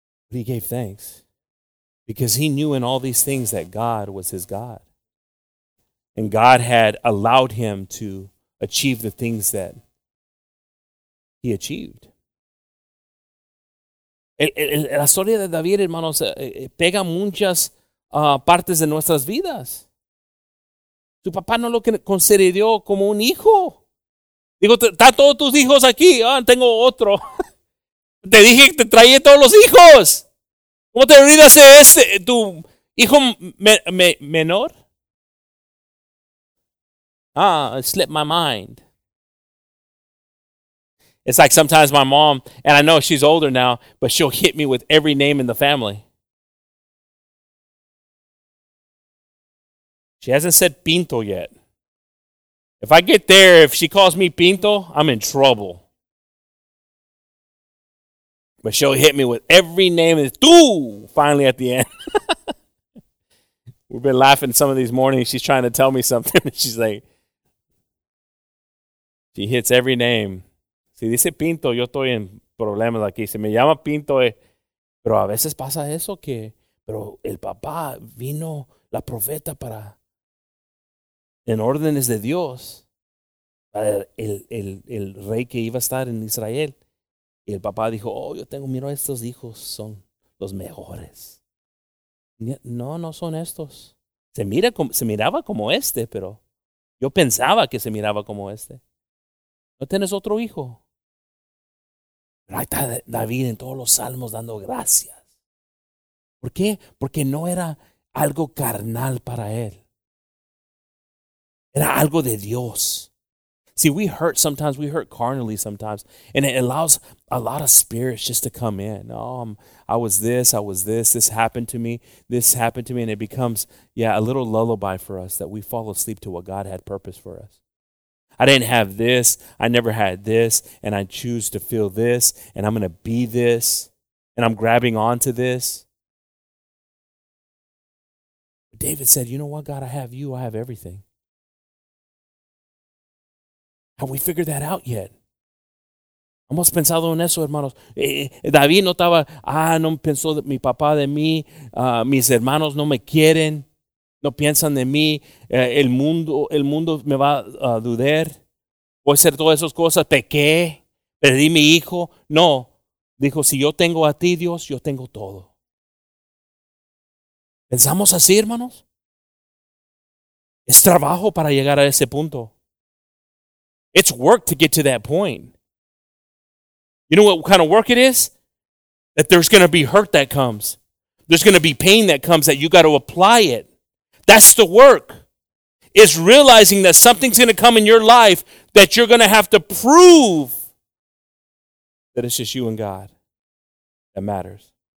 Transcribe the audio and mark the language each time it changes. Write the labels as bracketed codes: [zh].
[en] But he gave thanks because he knew in all these things that God was his God. And God had allowed him to achieve the things that he achieved. [es] La historia de David, hermanos, pega muchas partes de nuestras vidas. Tu papá no lo consideró como un hijo. Digo, están todos tus hijos aquí. Ah, tengo otro. Te dije que te traía todos los hijos. ¿Cómo te olvidas de este, tu hijo menor? [en] Ah, it slipped my mind. It's like sometimes my mom, and I know she's older now, but she'll hit me with every name in the family. She hasn't said Pinto yet. If I get there, if she calls me Pinto, I'm in trouble. But she'll hit me with every name, and tú, finally at the end. We've been laughing some of these mornings. She's trying to tell me something, and she's like, she hits every name. [es] Si dice Pinto, yo estoy en problemas aquí. Se me llama Pinto. Pero a veces pasa eso que, pero el papá vino la profeta para, en órdenes de Dios, para el rey que iba a estar en Israel. Y el papá dijo, oh, yo tengo, mira, estos hijos son los mejores. No son estos. Se miraba como este, pero yo pensaba que se miraba como este. ¿No tienes otro hijo? Pero ahí está David en todos los salmos dando gracias. ¿Por qué? Porque no era algo carnal para él. Era algo de Dios. [en] See, we hurt sometimes. We hurt carnally sometimes. And it allows a lot of spirits just to come in. Oh, I was this. I was this. This happened to me. This happened to me. And it becomes, yeah, a little lullaby for us that we fall asleep to what God had purpose for us. I didn't have this. I never had this. And I choose to feel this. And I'm going to be this. And I'm grabbing on to this. But David said, you know what, God? I have you. I have everything. Have we figured that out yet? [es] ¿Hemos pensado en eso, hermanos? David no estaba, no pensó mi papá de mí. Mis hermanos no me quieren. No piensan de mí, el mundo me va a dudar. Voy a hacer todas esas cosas, pequé, Perdí mi hijo. No. Dijo, si yo tengo a ti, Dios, yo tengo todo. ¿Pensamos así, hermanos? Es trabajo para llegar a ese punto. [en] It's work to get to that point. You know what kind of work it is? That there's going to be hurt that comes. There's going to be pain that comes that you got to apply it. That's the work. It's realizing that something's going to come in your life that you're going to have to prove that it's just you and God that matters.